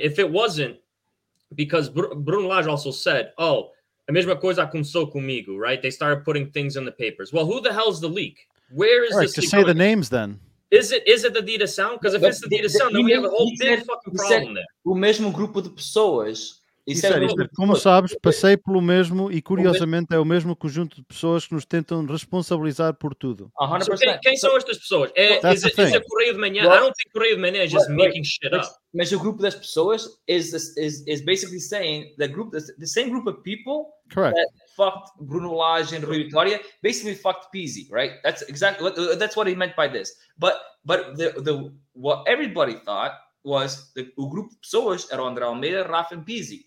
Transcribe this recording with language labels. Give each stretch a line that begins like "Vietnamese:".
English: If it wasn't because Bruno Lage also said,
Portuguese: oh, a mesma coisa aconteceu comigo,
English: right? They started putting things in the papers. Well, who the hell's the leak? Where is to say the names then? Is it the Dita Sound? Because if it's the Dita Sound, then we have a whole big fucking problem there.
Portuguese: O mesmo grupo de pessoas Isso é como sabes, passei pelo mesmo e curiosamente é o mesmo conjunto de pessoas que nos tentam responsabilizar por tudo. 100%. So, quem são estas pessoas? É o Correio de Manhã?
English: Well, I don't think Correio de Manhã is just making shit up.
Portuguese: Mas o grupo das pessoas
English: is basically saying the same group of people correct. That fucked Bruno Lage and Rui Vitória basically fucked Pizzi, right? That's exactly that's what he meant by this. But the what everybody thought was the group of pessoas era André Almeida, Rafa and Pizzi.